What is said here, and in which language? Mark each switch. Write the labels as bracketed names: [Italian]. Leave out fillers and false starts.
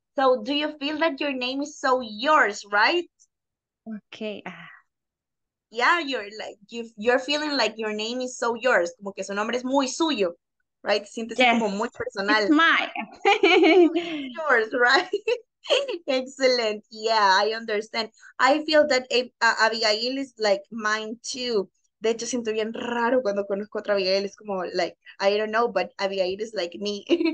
[English] So do you feel that your name is so yours, right? Okay. Yeah, you're feeling like your name is so yours. [Spanish] Como que su nombre es muy suyo, right? Sientes yes. Como muy personal. [English] It's mine. Yours, right? Excellent. Yeah, I understand. I feel that Abigail is like mine too. [Spanish] De hecho, siento bien raro cuando conozco a otra Abigail. Es como [English] like, I don't know, but Abigail is like me.